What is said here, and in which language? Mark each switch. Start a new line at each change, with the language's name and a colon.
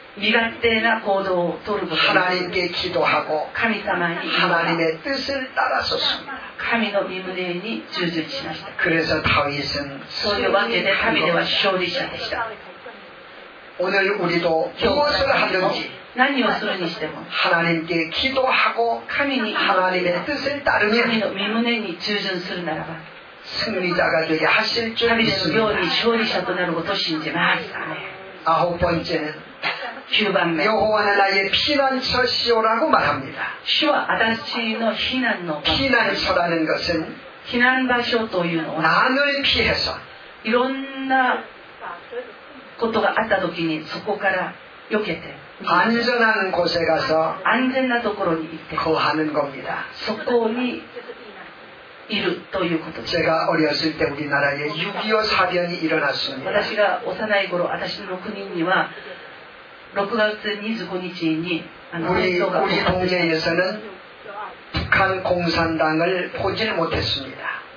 Japanese: 身勝手な行動を取ること
Korean: 하나님께기도하고
Japanese: 神様に
Korean: 하나님의뜻을따라섰습니다。
Japanese: 神の御胸に従順しました。
Korean: 그래서다윗은
Japanese: そういうわけで다윗は勝利者でした。
Korean: 오늘우리도무엇을하든지
Japanese: 何をするにしても
Korean: 하나님께기도하고
Japanese: 神に
Korean: 하나님의뜻을따르면
Japanese: 神の御胸に従順するならば
Korean: 승리자가되게하실줄믿습니다。
Japanese: 旅での勝利者となることを信じます。
Korean: 아홉번째는
Japanese: 九番目
Korean: 여호와는나의피난처시오라고말합니다。
Japanese: 主は私の避難の
Korean: 피난처라는것은
Japanese: 避難場所というのは
Korean: 난을피해서
Japanese: いろんなことがあった時にそこから避けて
Korean: 안전한곳에가서
Japanese: 안전なところに行って
Korean: 거하는겁니다。
Japanese: そこにいるということ。
Korean: 제가어렸을때우리나라에6.25사변이일어났습니다。
Japanese: 私が幼い頃、私の国には6月25日に
Korean: 우리 동네에서는 북한 공산당을 보질 못했습니다.